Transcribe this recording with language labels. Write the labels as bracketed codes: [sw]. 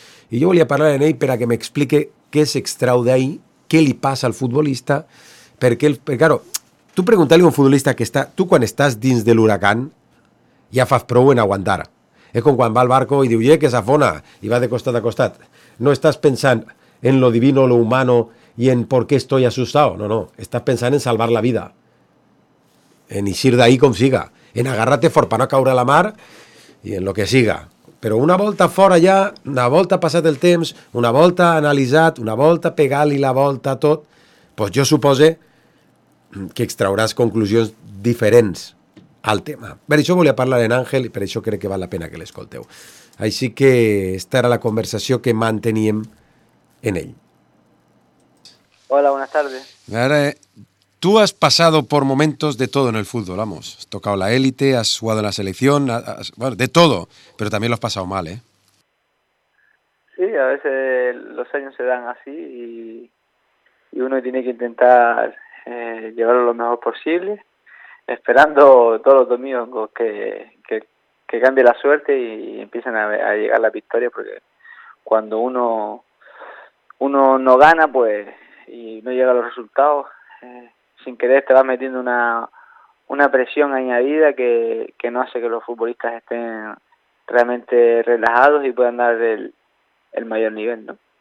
[ca] I jo volia parlar amb ell per a que m'expliqui què s'extrau d'ahir, què li passa al futbolista, perquè, claro, tu preguntar-li a un futbolista que està... Tu, quan estàs dins de l'huracan, ja fas prou en aguantar. És com quan va al barco i diu, ja, que s'afona, i va de costat a costat. No estàs pensant en [es] lo divino, lo humano, [ca] i en [es] por qué estoy asustado. [ca] No, no, estàs pensant en salvar la vida. En eixir d'ahir com siga. En agarrar-te fort per no caure a la mar i en lo que siga. Però una volta fora ja, una volta passat el temps, una volta analitzat, una volta pegant-li la volta a tot, pues jo supose que extrauràs conclusions diferents al tema. Per això volia parlar en Àngel i per això crec que val la pena que l'escolteu. Així que esta era la conversació que manteníem en ell. [es] Hola, buenas tardes. [ca] Ara, tu has passat per moments de tot en el futbol, vamos. Has tocat la élite, has jugat en la selecció, bueno, de tot, però també l'has passat mal, eh? [es] Sí, a veces los años se dan así y uno tiene que intentar llevarlo lo mejor posible. Esperando todos los domingos que cambie la suerte y empiecen a llegar las victorias, porque cuando uno no gana pues y no llega a los resultados, sin querer te vas metiendo una presión añadida que no hace que los futbolistas estén realmente relajados y puedan dar el mayor nivel, ¿no?